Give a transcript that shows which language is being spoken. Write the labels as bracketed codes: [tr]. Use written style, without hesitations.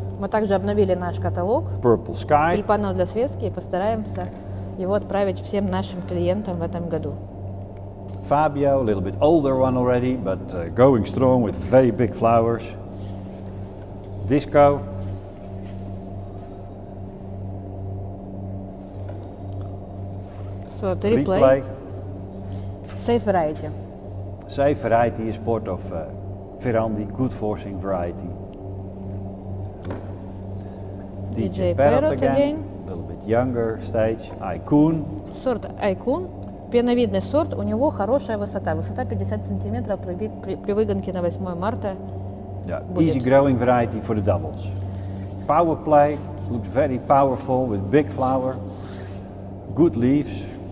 [ru] Мы также обновили наш каталог. Purple Sky. Тюльпанов для связки и постараемся его отправить всем нашим клиентам в этом году. [en] Fabio, a little bit older one already, but going strong with very big flowers. disco. So, the replay. Safe variety. Safe variety is part of Ferrandi, good forcing variety. DJ Parrot again. A little bit younger stage. Icon. [ru] Sort Icon. Пеновидный сорт, у него хорошая высота. Высота 50 сантиметров при выгонке на 8 марта. [en] Yeah, easy growing variety for the doubles. Power play, looks very powerful with big flower, good leaves.